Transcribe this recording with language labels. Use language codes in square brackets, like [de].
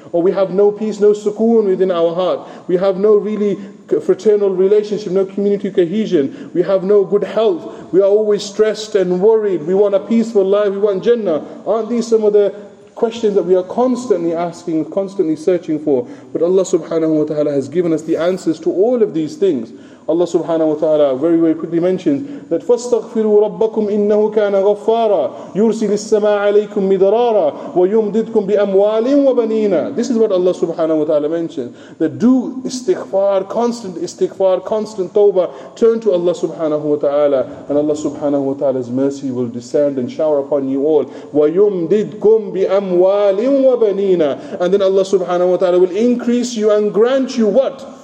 [en] Or we have no peace, no sukoon within our heart. We have no really fraternal relationship, no community cohesion. We have no good health. We are always stressed and worried. We want a peaceful life, we want Jannah. Aren't these some of the questions that we are constantly asking, constantly searching for? But Allah Subhanahu wa Ta'ala has given us the answers to all of these things. Allah Subhanahu wa Ta'ala very, very quickly mentions that [ar] فَاسْتَغْفِرُوا رَبَّكُمْ إِنَّهُ كَانَ غَفَّارًا يُرْسِلِ السَّمَاءَ عَلَيْكُمْ مِدْرَارًا وَيُمْدِدْكُمْ بِأَمْوَالٍ وَبَنِينَ. [en] This is what Allah Subhanahu wa Ta'ala mentions, that do istighfar, constant tawbah, turn to Allah Subhanahu wa Ta'ala, and Allah Subhanahu wa Ta'ala's mercy will descend and shower upon you all. [ar] وَيُمْدِدْكُمْ بِأَمْوَالٍ وَبَنِينَ. [en] And then Allah Subhanahu wa Ta'ala will increase you and grant you what?